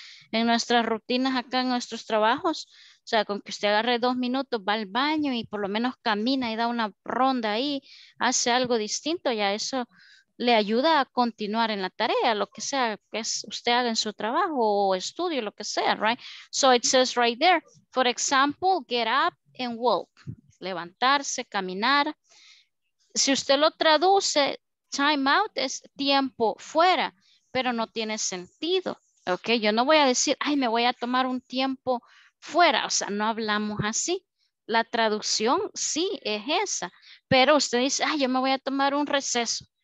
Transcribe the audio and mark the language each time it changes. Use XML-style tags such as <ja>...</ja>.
<es>Pero en nuestras rutinas acá, en nuestros trabajos, o sea, con que usted agarre 2 minutos, va al baño y por lo menos camina y da una ronda ahí, hace algo distinto, ya eso le ayuda a continuar en la tarea, lo que sea que usted haga en su trabajo o estudio, lo que sea, right?</es> <en>So it says right there, for example, get up and walk.</en> <es>Levantarse, caminar. Si usted lo traduce, time out es tiempo fuera, pero no tiene sentido, ¿ok? Yo no voy a decir, ay, me voy a tomar un tiempo fuera. O sea, no hablamos así. La traducción sí es esa, pero usted dice, ay, yo me voy a tomar un receso.</es>